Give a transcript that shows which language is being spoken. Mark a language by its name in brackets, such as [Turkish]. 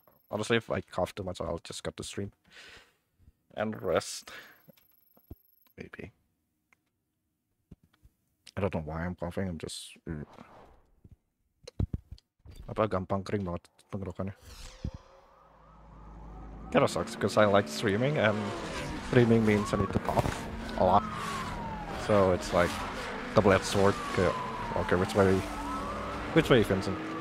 [English] Honestly, if I cough too much, I'll just cut the stream and rest. Maybe. I don't know why I'm coughing, I'm just... [Indonesian] Apa, gampang kering banget tenggorokannya. [English] Kinda sucks, because I like streaming, and streaming means I need to cough a lot. So it's like double-edged sword. Okay, which way, Vincent?